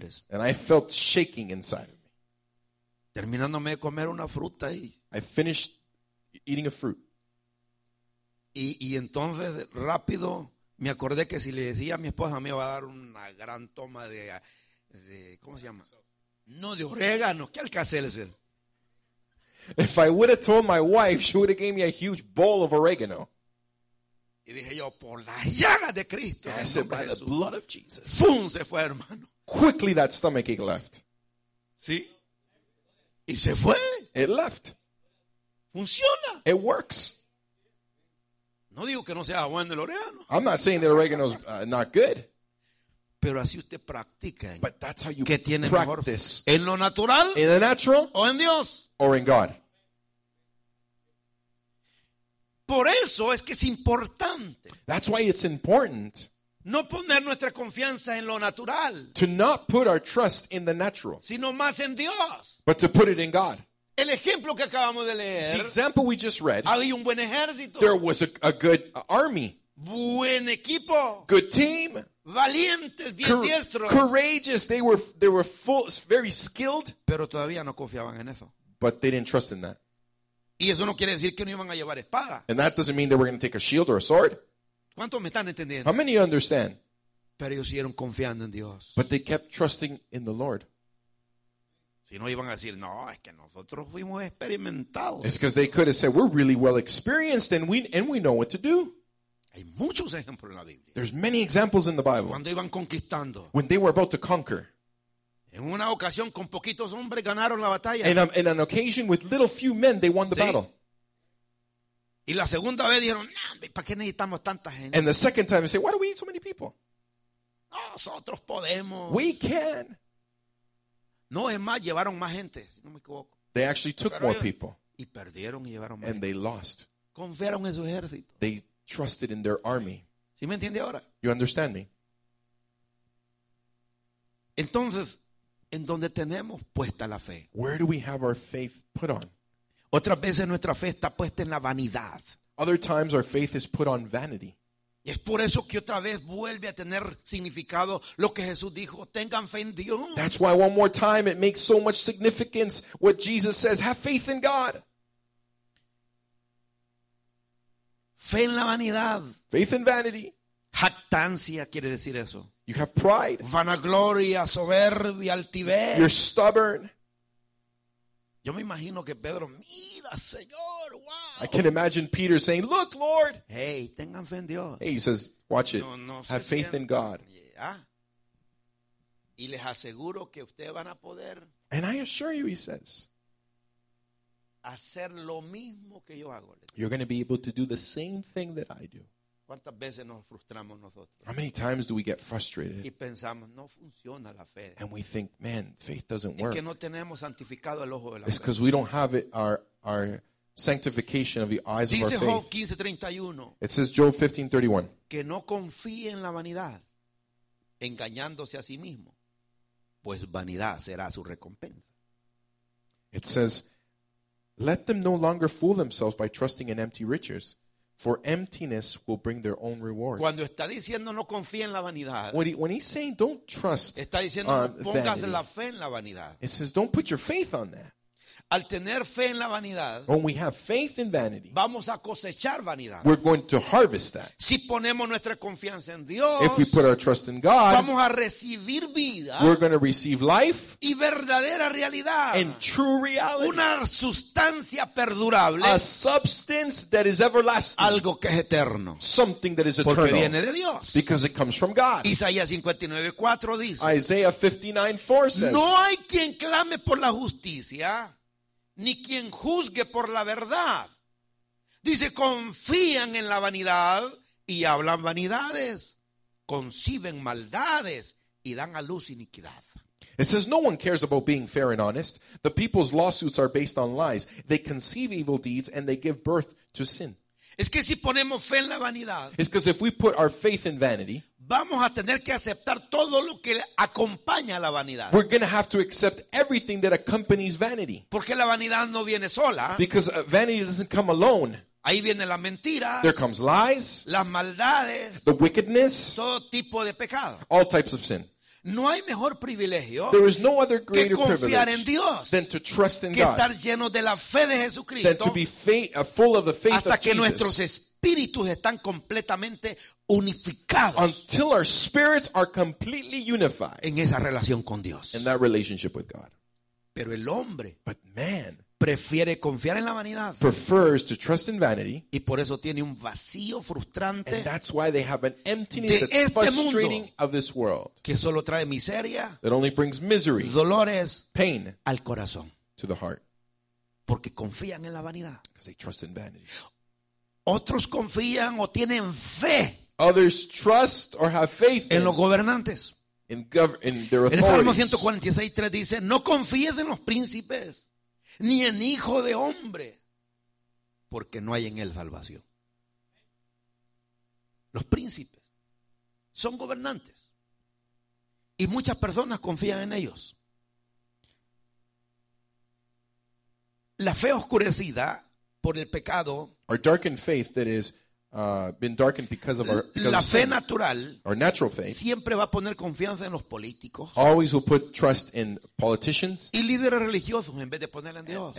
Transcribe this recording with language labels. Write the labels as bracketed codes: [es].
[en] And I felt shaking inside of me. [es] Terminándome de comer una fruta ahí. [en] I finished eating a fruit. [es] Y entonces rápido me acordé que si le decía a mi esposa me iba a dar una gran toma de ¿cómo se llama? No, de orégano. ¿Qué Alka-Seltzer? [en] If I would have told my wife, she would have gave me a huge bowl of oregano. [es] Y dije yo, por la llaga de Cristo. [en] I said, by the blood of Jesus. [es] ¡Fum! Se fue, hermano. [en] Quickly that stomach ache left. [es] ¿Sí? Y se fue. [en] It left. [es] Funciona. [en] It works. [es] No digo que no sea bueno el oregano. [en] I'm not saying that oregano is not good. [es] Pero así usted practica. [en] But that's how you [es] que tiene [en] practice. [es] Mejor, ¿en lo natural? [en] In the natural. [es] ¿O en Dios? [en] Or in God. [es] Por eso es que es importante. [en] That's why it's important. [es] No poner nuestra confianza en lo natural. [en] To not put our trust in the natural. [es] Sino más en Dios. [en] But to put it in God. [es] El ejemplo que acabamos de leer. [en] The example we just read. [es] Había un buen ejército. [en] There was a good army. [es] Buen equipo. [en] Good team. [es] Valientes, bien diestros. [en] Courageous. They were full, very skilled. [es] Pero todavía no confiaban en eso. [en] But they didn't trust in that. [es] Y eso no quiere decir que no iban a llevar espada. [en] And that doesn't mean they were going to take a shield or a sword. [es] ¿Cuántos me están entendiendo? [en] How many understand? [es] Pero ellos siguieron confiando en Dios. [en] But they kept trusting in the Lord. [es] Si no iban a decir, no, es que nosotros fuimos experimentados. [en] It's because they could have said, we're really well experienced and we know what to do. [es] Hay muchos ejemplos en la Biblia. [en] There's many examples in the Bible. [es] Cuando iban conquistando. [en] When they were about to conquer. [es] En una ocasión con poquitos hombres ganaron la batalla. [en] In an occasion with little few men they won the [es] sí. [en] battle. [es] Y la segunda vez dijeron, nah, ¿para qué necesitamos tanta gente? [en] And the second time they say, why do we need so many people? [es] Nosotros podemos. [en] We can. [es] No, es más, llevaron más gente, si no me equivoco. [en] They actually took [es] pero [en] more people. [es] Y perdieron y llevaron más [en] and gente. They lost. [es] Confiaron en su ejército. [en] They trusted in their army. [es] ¿Sí me entiende ahora? [en] You understand me? [es] Entonces, ¿en dónde tenemos puesta la fe? [en] Where do we have our faith put on? [es] Otras veces nuestra fe está puesta en la vanidad. [en] Other times our faith is put on vanity. [es] Y es por eso que otra vez vuelve a tener significado lo que Jesús dijo, tengan fe en Dios. [en] That's why one more time it makes so much significance what Jesus says, have faith in God. [es] Fe en la vanidad. [en] Faith in vanity. [es] Jactancia quiere decir eso. [en] You have pride. [es] Vanagloria, soberbia, altivez. [en] You're stubborn. [es] Yo me imagino que Pedro, mira, Señor, wow. [en] I can imagine Peter saying, look, Lord. [es] Hey, tengan fe en Dios. [en] Hey, he says, watch it. No, no, have faith in God. Yeah. [es] Y les aseguro que ustedes van a poder. [en] And I assure you, he says, [es] hacer lo mismo que yo hago. [en] You're going to be able to do the same thing that I do. [es] ¿Cuántas veces nos frustramos nosotros? [en] How many times do we get frustrated? [es] Y pensamos, no funciona la fe. [en] And we think, man, faith doesn't work. [es] Es que no tenemos santificado el ojo de la fe. [en] It's because we don't have it, our sanctification of the eyes [es] dice [en] of our Job faith. [es] Dice Job 15:31. [en] It says Job 15:31. [es] Que no confíe en la vanidad, engañándose a sí mismo, pues vanidad será su recompensa. [en] It says, let them no longer fool themselves by trusting in empty riches. For emptiness will bring their own reward. [es] Cuando está diciendo no confíe en la vanidad. [en] When he's saying don't trust. [es] Está diciendo no pongas la fe en la vanidad. [en] It says don't put your faith on that. [es] Al tener fe en la vanidad. [en] When we have faith in vanity. [es] Vamos a cosechar vanidad. [en] We're going to harvest that. [es] Si ponemos nuestra confianza en Dios. [en] If we put our trust in God. [es] Vamos a recibir vida. [en] We're going to receive life. [es] Y verdadera realidad. [en] And true reality. [es] Una sustancia perdurable. [en] A substance that is everlasting. [es] Algo que es eterno. [en] Something that is eternal. [es] Porque viene de Dios. [en] Because it comes from God. [es] Isaías 59:4 dice. [en] Isaiah 59:4 says. [es] No hay quien clame por la justicia. Ni quien juzgue por la verdad. Dice, confían en la vanidad y hablan vanidades. Conciben maldades y dan a luz iniquidad. [en] It says, no one cares about being fair and honest. The people's lawsuits are based on lies. They conceive evil deeds and they give birth to sin. [es] Es que si ponemos fe en la vanidad. [en] It's because if we put our faith in vanity. [es] Vamos a tener que aceptar todo lo que acompaña a la vanidad. [en] We're going to have to accept everything that accompanies vanity. [es] Porque la vanidad no viene sola. [en] Because vanity doesn't come alone. [es] Ahí vienen las mentiras. [en] There comes lies. [es] Las maldades. [en] The wickedness. [es] Todo tipo de pecado. [en] All types of sin. [es] No hay mejor privilegio. [en] There is no other greater [es] que confiar en Dios. [en] Than to trust in [es] que [en] God. [es] Que estar lleno de la fe de Jesucristo. [en] Than to be full of the faith of Jesus. [es] Hasta que nuestros espíritus están completamente unificados. [en] Until our spirits are completely unified. [es] En esa relación con Dios. [en] In that relationship with God. [es] Pero el hombre. [en] But man. [es] Prefiere confiar en la vanidad. [en] Prefers to trust in vanity. [es] Y por eso tiene un vacío frustrante. [en] And that's why they have an emptiness that's frustrating of this world. [es] Que solo trae miseria. [en] That only brings misery. [es] Dolores. [en] Pain. [es] Al corazón. [en] To the heart. [es] Porque confían en la vanidad. [en] Because they trust in vanity. [es] Otros confían o tienen fe. [en] Others trust or have faith [es] en los gobernantes. [en] In their authorities. [es] En el Salmo 146:3 dice, no confíes en los príncipes. Ni en hijo de hombre, porque no hay en él salvación. Los príncipes son gobernantes y muchas personas confían en ellos. La fe oscurecida por el pecado, [en] our darkened faith that is been darkened because of our [es] la fe [en] sin, [es] natural, [en] our natural faith, [es] siempre va a poner confianza en los políticos, [en] always will put trust in politicians, [es] y líderes religiosos en vez de poner en Dios,